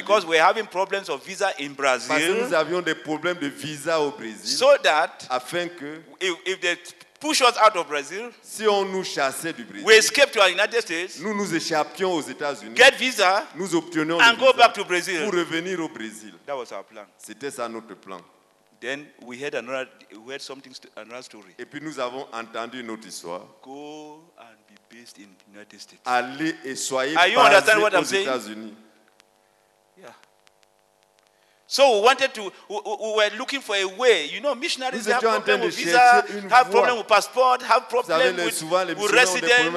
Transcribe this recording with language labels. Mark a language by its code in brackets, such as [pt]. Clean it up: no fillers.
[en] Because we're having problems of visa in Brazil. [fr] Parce que nous avions des problèmes de visa au Brésil. [en] So that [fr] afin que [en] if they push us out of Brazil. [fr] Si on nous chassait du Brésil, [en] we escape to the United States. [fr] Nous nous échappions aux États-Unis. [en] Get visa. [fr] Nous obtenions [en] and go back to Brazil. [fr] Pour revenir au Brésil. [en] That was our plan. [fr] C'était ça notre plan. [en] Then we heard another story. [fr] Et puis nous avons entendu une autre histoire. [en] Go and be based in the United States. [fr] Allez et soyez basés aux États-Unis. [en] Are you understand what I'm saying? Yeah. So we wanted to. We were looking for a way. You know, missionaries have problem with visa, have problem with passport, have problem with residence,